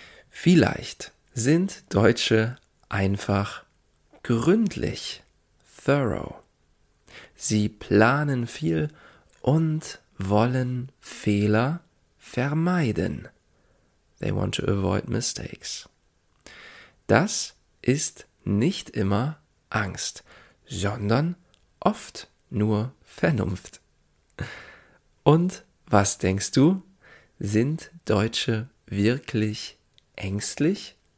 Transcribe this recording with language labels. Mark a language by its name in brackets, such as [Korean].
[German] Vielleicht sind Deutsche einfach gründlich, thorough. Sie planen viel und wollen Fehler vermeiden. [English] They want to avoid mistakes. [German] Das ist nicht immer Angst, sondern oft nur Vernunft. Und was denkst du? Sind Deutsche wirklich ängstlich?